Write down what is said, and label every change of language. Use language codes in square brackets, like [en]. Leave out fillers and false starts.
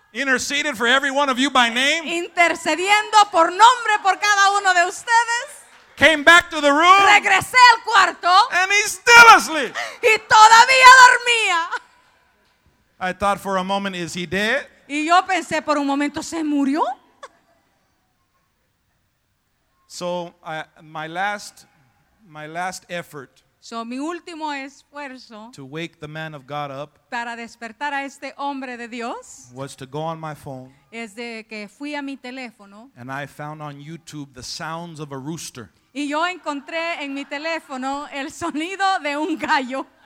[en] Interceded for every one of you by name. [es] Intercediendo por nombre por cada uno de ustedes. [en] Came back to the room. [es] Regresé al cuarto. [en] And he's still asleep. [es] Y todavía dormía. [en] I thought for a moment, is he dead? [es] Y yo pensé por un momento, ¿se murió? [en] So my last effort. [es] So mi último esfuerzo. [en] To wake the man of God up. [es] Para despertar a este hombre de Dios. [en] Was to go on my phone. [es] Es de que fui a mi teléfono. [en] And I found on YouTube the sounds of a rooster. [es] Y yo encontré en mi teléfono el sonido de un gallo.